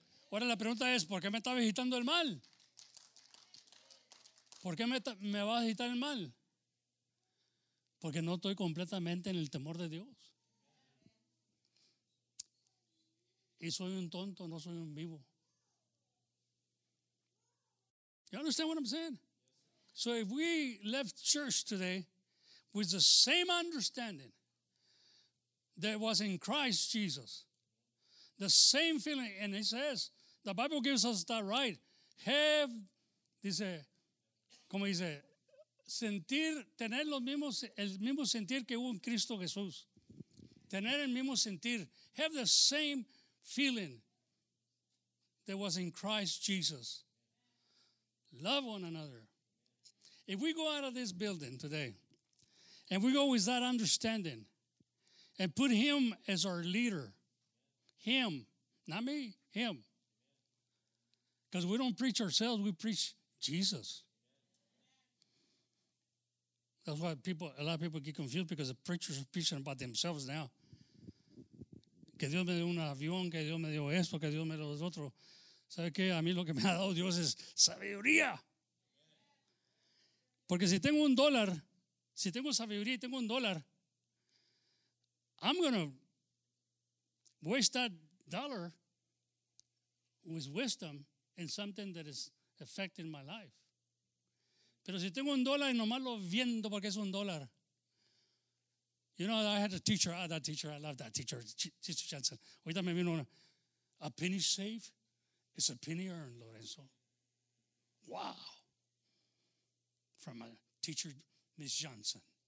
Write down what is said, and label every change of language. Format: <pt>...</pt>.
<es>Ahora la pregunta es, ¿por qué me está visitando el mal? ¿Por qué me va a visitar el mal? Porque no estoy completamente en el temor de Dios. Y soy un tonto, no soy un vivo.</es> <en>You understand what I'm saying? So if we left church today with the same understanding that was in Christ Jesus, the same feeling, and it says, the Bible gives us that right.</en> <es>Have, dice, como dice, sentir, tener los mismos, el mismo sentir que hubo en Cristo Jesús. Tener el mismo sentir.</es> <en>Have the same feeling that was in Christ Jesus. Love one another. If we go out of this building today and we go with that understanding and put him as our leader, him, not me, him. Because we don't preach ourselves, we preach Jesus. That's why people, a lot of people get confused because the preachers are preaching about themselves now.</en> <es>Que Dios me dio un avión, que Dios me dio esto, que Dios me dio lo otro. ¿Sabe qué? A mí lo que me ha dado Dios es sabiduría. Porque si tengo un dólar,</es> <en>si tengo sabiduría y tengo un dólar, I'm going to waste that dollar with wisdom in something that is affecting my life.</en> <es>Pero si tengo un dólar y nomás lo viendo porque es un dólar.</es> <en>You know, I had a teacher, I love that teacher, Teacher Johnson.</en> <es>Ahorita me vino una,</es> <en>a penny saved is a penny earned, Lorenzo. Wow. From my teacher, Miss Johnson.</en>